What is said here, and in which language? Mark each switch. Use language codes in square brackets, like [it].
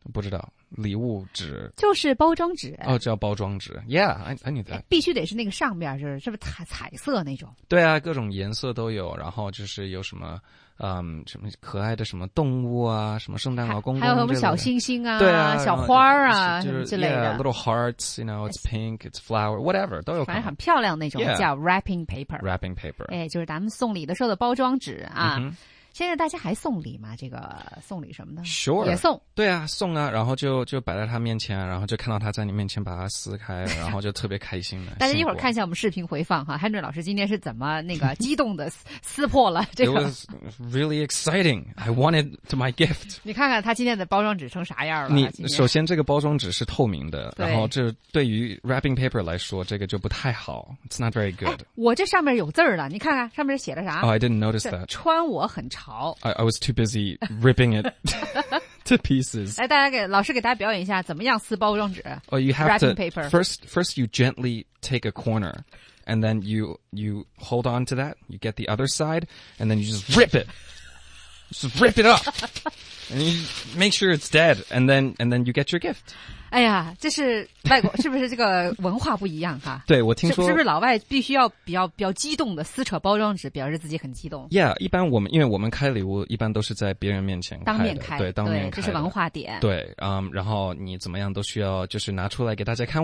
[zh] 不知道，礼物纸就是包装纸哦，叫包装纸。Yeah， 哎，你的必须得是那个上边是是不是彩色那种？对啊，各种颜色都有，然后就是有什么。什么可爱的什么动物啊，什么圣诞老公公，还有什么小星星啊，对啊，小花啊，就是、什么之类的。 [en] Yeah, little hearts, you know, it's pink, it's flower, whatever, [zh] 都有可能。反正很漂亮那种、 yeah. 叫 wrapping paper。 wrapping paper。哎，就是咱们送礼的时候的包装纸啊。 Mm-hmm. 现在大家还送礼吗？这个送礼什么的 [en] ？Sure。 [zh] 也送。对啊，送啊，然后就摆在他面前，然后就看到他在你面前把它撕开，然后就特别开心的。大家一会儿看一下我们视频回放哈 ，Henry 老师今天是怎么那个激动的撕破了这个。 [en] It was really exciting. I wanted to my gift. [zh] 你看看他今天的包装纸成啥样了？你首先这个包装纸是透明的，然后这对于 wrapping paper 来说，这个就不太好。 [en] It's not very good.、 [zh] 哎、我这上面有字儿了，你看看上面写的啥 [en] ？Oh, I didn't notice that. [zh] 穿我很潮。 [en] I was too busy ripping it. To pieces. [zh] 来，大家给老师给大家表演一下怎么样撕包装纸。 [en] Oh, you have wrapping to paper. First, you gently take a corner, and then you hold on to that. You get the other side, and then you just rip it. Just rip it up, and you make sure it's dead. And then you get your gift. [zh] 哎呀，这是外国，是不是这个文化不一样哈？对，我听说是不是老外必须要比较激动的撕扯包装纸，表示自己很激动？Yeah， 一般我们因为我们开礼物一般都是在别人面前开的，当面开，对，当面开，这是文化点。对，嗯，然后你怎么样都需要就是拿出来给大家看。